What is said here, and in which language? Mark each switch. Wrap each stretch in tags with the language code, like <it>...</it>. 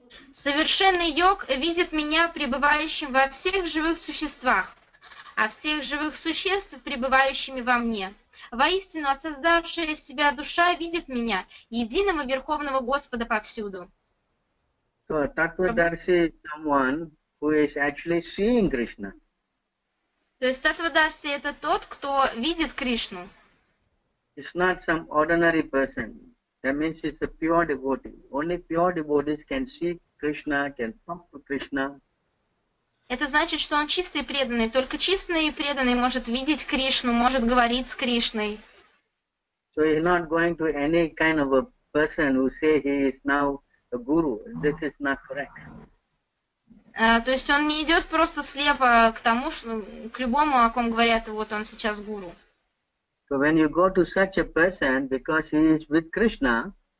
<ru>Совершенный йог видит меня пребывающим во всех живых существах, а всех живых существ пребывающими во мне. Воистину, осознавшая себя душа видит меня, единого Верховного Господа повсюду.</ru> <en>So, Tattvadarshi is someone who is actually seeing Krishna.</en> <ru>То есть Tattvadarshi – это тот, кто видит Кришну.</ru> <en>It's not some ordinary person. That means it's a pure devotee. Only pure devotees can see Krishna, can talk to Krishna.</en> <ru>Это значит, что он чистый и преданный. Только чистый и преданный может видеть Кришну, может говорить с Кришной.</ru> <en>So he's not going to any kind of a person who say he is now a guru. This is not correct.</en> <ru>То есть он не идет просто слепо к тому, что, к любому, о ком говорят, вот он сейчас гуру.</ru> <en>So when you go to such a person, because he is with Krishna.</en>